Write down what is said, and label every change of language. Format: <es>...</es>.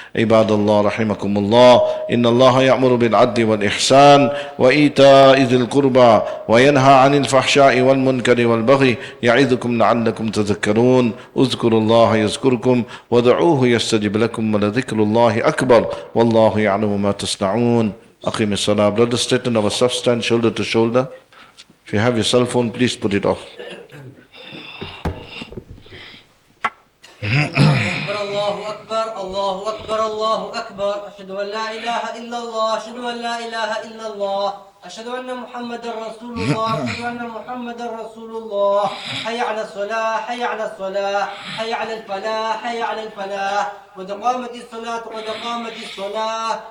<ar>عباد الله رحمكم الله، إن الله يأمر بالعدل والإحسان وإيتاء ذي القربى وينهى عن الفحشاء والمنكر والبغي يعظكم لعلكم تذكرون. اذكروا الله يذكركم ودعوه يستجب لكم، ولذكر الله أكبر والله يعلم ما تصنعون. أقيم الصلاة.</ar> <en>Brother, straighten our self, stand shoulder to shoulder. If you have your cell phone, please put it off.</en> <ar>الله أكبر الله أكبر، أشهد أن لا إله إلا الله، أشهد أن لا إله إلا الله، أشهد أن محمد رسول الله، أشهد أن محمد رسول الله. حي على الصلاة، حي على الصلاة، حي على الفلاح، حي على الفلاح، قد قامت الصلاة، قد قامت الصلاة.</ar>